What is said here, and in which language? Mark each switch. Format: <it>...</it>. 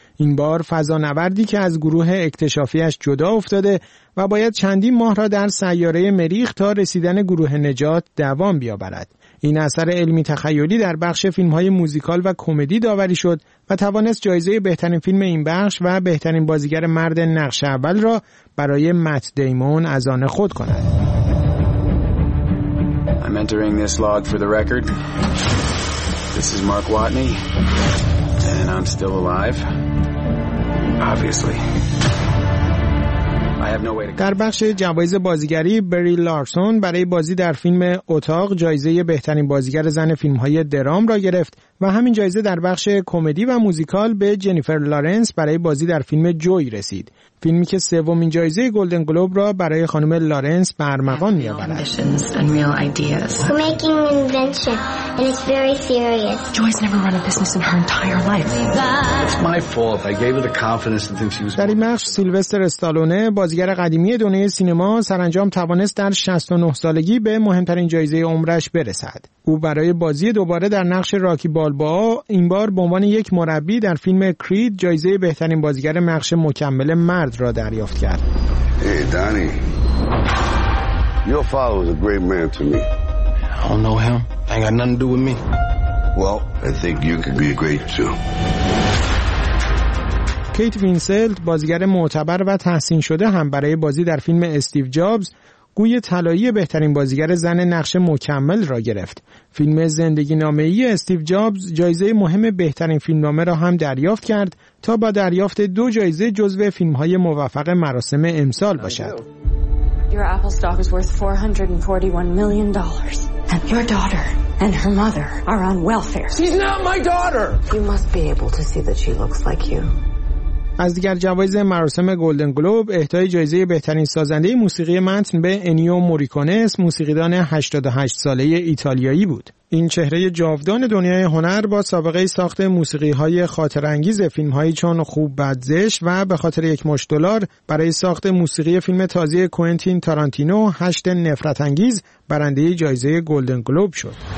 <fa>این بار فضانوردی که از گروه اکتشافیش جدا افتاده و باید چندین ماه را در سیاره مریخ تا رسیدن گروه نجات دوام بیاورد. این اثر علمی تخیلی در بخش فیلم‌های موزیکال و کمدی داوری شد و توانست جایزه بهترین فیلم این بخش و بهترین بازیگر مرد نقش اول را برای مت دیمون از آن خود کند.</fa> <en>I'm entering this log for the record. This is Mark Watney, and I'm still alive. Obviously. I have no way to.</en> <fa>در بخش جوایز بازیگری، بری لارسون برای بازی در فیلم اتاق جایزه بهترین بازیگر زن فیلم‌های درام را گرفت و همین جایزه در بخش کمدی و موزیکال به جنیفر لارنس برای بازی در فیلم جوی رسید. فیلمی که سومین جایزه گلدن گلوب را برای خانم لارنس برمغان می آورد.</fa> <en>We're making an invention and it's very serious. Joy's never run a business in her entire life. It's my fault. I gave her the confidence to think she was.</en> <fa>در این سیلوستر استالونه، بازیگر قدیمی دنیای سینما، سرانجام توانست در 69 سالگی به مهمترین جایزه عمرش برسد. او برای بازی دوباره در نقش راکی بالبا، این بار به عنوان یک مربی در فیلم کرید، جایزه بهترین بازیگر نقش مکمل مرد را دریافت کرد.</fa> <en>Hey Danny. Your father was a great man to me. I don't know him. I ain't got nothing to do with me. Well, I think you could be great too.</en> <fa>کیت وینسلت، بازیگر معتبر و تحسین شده، هم برای بازی در فیلم استیو جابز گوی طلایی بهترین بازیگر زن نقش مکمل را گرفت. فیلم زندگی نامه‌ای استیو جابز جایزه مهم بهترین فیلمنامه را هم دریافت کرد تا با دریافت 2 جایزه جزو فیلم‌های موفق مراسم امسال باشد.</fa> <en>Your Apple stock is worth $441 million and your daughter and her mother are on welfare. She's not my daughter. You must be able to see that she looks like you.</en> <fa>از دیگر جوایز مراسم گلدن گلوب، اهدای جایزه بهترین سازنده موسیقی متن به انیو موریکونه، موسیقیدان 88 ساله ایتالیایی بود. این چهره جاودان دنیای هنر با سابقه ساخت موسیقی‌های خاطره‌انگیز فیلم‌های چون خوب بد زشت و به خاطر یک مشت دلار برای ساخت موسیقی فیلم تازه کوئنتین تارانتینو 8 نفرت انگیز برنده جایزه گلدن گلوب شد.</fa>